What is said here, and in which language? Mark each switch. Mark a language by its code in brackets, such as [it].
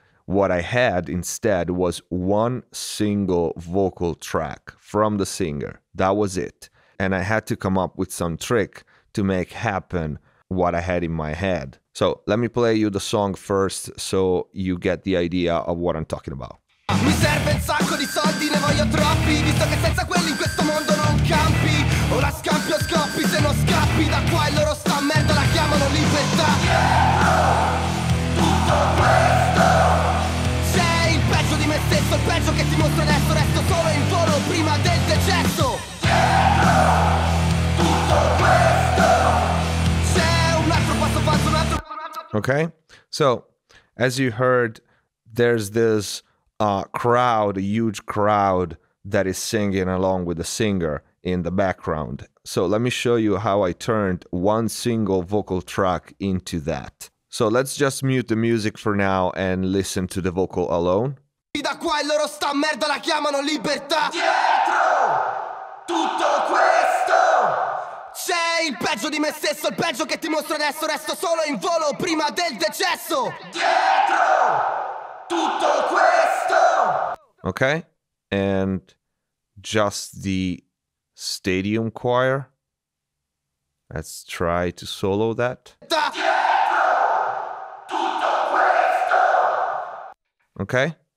[en] What I had instead was one single vocal track from the singer. That was it. And I had to come up with some trick to make happen what I had in my head. So let me play you the song first so you get the idea of what I'm talking about. [it] Mi serve un sacco di soldi, ne voglio troppi, visto che senza quelli in questo mondo non campi. Ora scampi o scoppi, se non scappi da qua il loro sta merda la chiamano libertà. Yeah, tutto questo. Sei il peggio di me stesso, il peggio che ti mostro adesso, resto solo in volo prima del decesso. Yeah, tutto questo. Sei un altro passo falso, un altro. [en] Okay, so as you heard, there's this crowd, a huge crowd that is singing along with the singer in the background. So let me show you how I turned one single vocal track into that. So let's just mute the music for now and listen to the vocal alone. [it] Da qua il loro sta merda la chiamano libertà. Dietro tutto questo c'è il peggio di me stesso, il peggio che ti mostro adesso, resto solo in volo prima del decesso. Dietro tutto questo. [en] Okay, and just the stadium choir. Let's try to solo that. Okay.